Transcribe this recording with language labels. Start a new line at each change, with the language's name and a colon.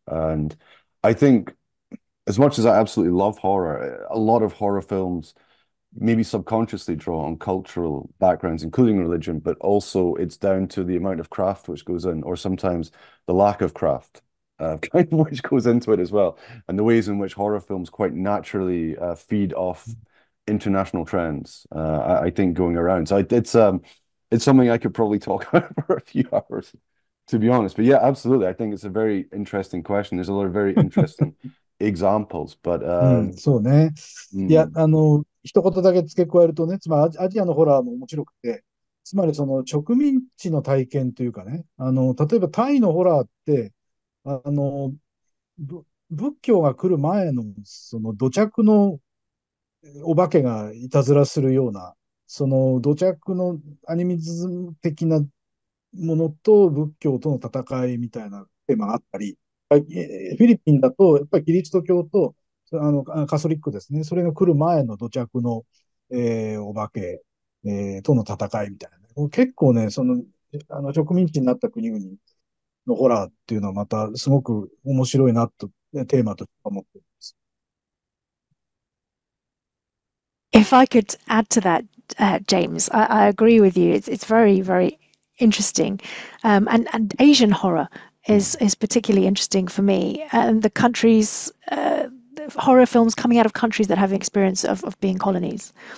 English: And I think, as much as I absolutely love horror, a lot of horror films maybe subconsciously draw on cultural backgrounds, including religion, but also it's down to the amount of craft which goes in, or sometimes the lack of craft kind of which goes into it as well, and the ways in which horror films quite naturally feed off international trends, I think, going around. So it's something I could probably talk about for a few hours, to be honest. But yeah, absolutely. I think it's a very interesting question. There's a lot of very interesting examples, but
Japanese: そうね。いや、あの、一言だけ付け加えるとね、つまりアジアのホラーも面白くて、つまりその植民地の体験というかね、あの、例えばタイのホラーって、あの、仏教が来る前のその土着のお化けがいたずらするような、その土着のアニミズム的なものと仏教との戦いみたいなテーマがあったり、フィリピンだとやっぱりキリスト教とあのカソリックですね、それが来る前の土着の、お化け、との戦いみたいな、結構ね、その、 あの植民地になった国々のホラーっていうのはまたすごく面白いなとテーマと思っています。
English: If I could add to that, James, I agree with you. It's very, very interesting. And Asian horror is particularly interesting for me, and the countries, horror films coming out of countries that have experience of being colonies.